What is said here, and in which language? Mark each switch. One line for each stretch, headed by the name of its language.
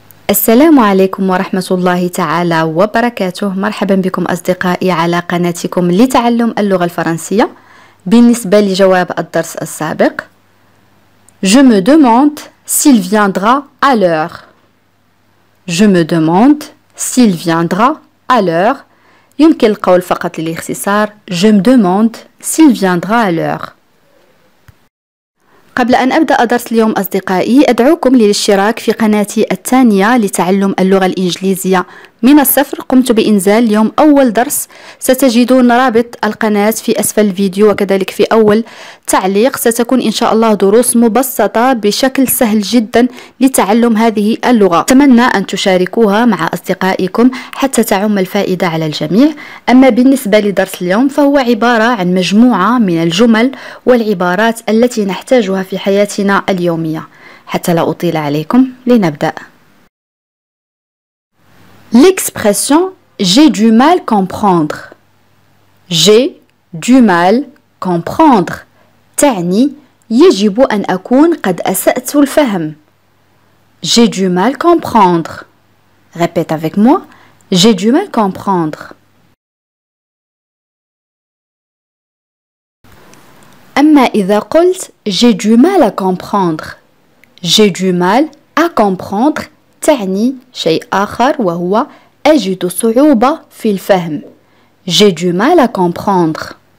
Arabic: السلام عليكم ورحمة الله تعالى وبركاته. مرحبا بكم أصدقائي على قناتكم لتعلم اللغة الفرنسية. بالنسبة لجواب الدرس السابق,
French: Je me demande s'il viendra à l'heure. Je me demande s'il viendra à l'heure.
Arabic: يمكن القول فقط للاختصار
French: Je me demande s'il viendra à l'heure.
Arabic: قبل أن أبدأ درس اليوم أصدقائي, أدعوكم للاشتراك في قناتي الثانية لتعلم اللغة الإنجليزية من الصفر. قمت بإنزال اليوم أول درس, ستجدون رابط القناة في أسفل الفيديو وكذلك في أول تعليق. ستكون إن شاء الله دروس مبسطة بشكل سهل جدا لتعلم هذه اللغة. أتمنى أن تشاركوها مع أصدقائكم حتى تعم الفائدة على الجميع. أما بالنسبة لدرس اليوم فهو عبارة عن مجموعة من الجمل والعبارات التي نحتاجها في حياتنا اليومية. حتى لا أطيل عليكم لنبدأ.
French: L'expression « j'ai du mal comprendre ».« J'ai du mal comprendre »
Arabic: تعني « يجب أن أكون قد أسأت الفهم ».
French: « J'ai du mal comprendre » Répète avec moi « j'ai du mal comprendre ».
Arabic: أما إذا قلت «
French: j'ai du mal à comprendre
Arabic: »« j'ai du mal à comprendre » تعني شيء آخر وهو أجد صعوبة في الفهم.
French: J'ai du mal à comprendre.